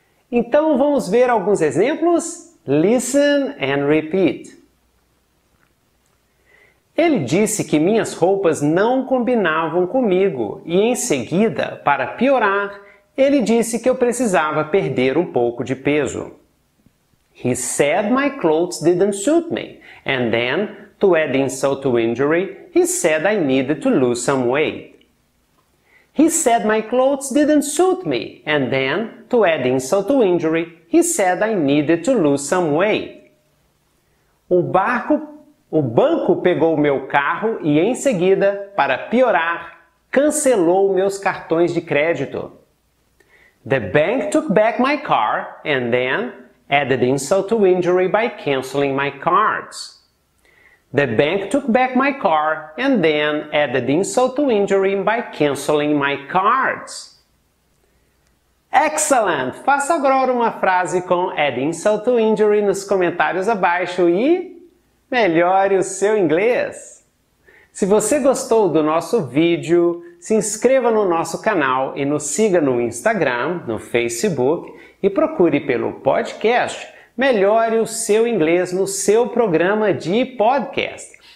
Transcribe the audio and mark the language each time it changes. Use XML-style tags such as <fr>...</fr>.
<pt>Então vamos ver alguns exemplos?</pt> <en>Listen and repeat.</en> <pt>Ele disse que minhas roupas não combinavam comigo e, em seguida, para piorar, ele disse que eu precisava perder um pouco de peso.</pt> <en>He said my clothes didn't suit me. And then, to add insult to injury, he said I needed to lose some weight. He said my clothes didn't suit me. And then, to add insult to injury, he said I needed to lose some weight.</en> <pt>O banco pegou meu carro e, em seguida, para piorar, cancelou meus cartões de crédito.</pt> <en>The bank took back my car and then added insult to injury by canceling my cards. The bank took back my car and then added insult to injury by canceling my cards. Excellent!</en> <pt>Faça agora uma frase com</pt> <en>add insult to injury</en> <pt>nos comentários abaixo e melhore o seu inglês! Se você gostou do nosso vídeo, se inscreva no nosso canal e nos siga no Instagram, no Facebook e procure pelo podcast Melhore o Seu Inglês no seu programa de podcast.</pt>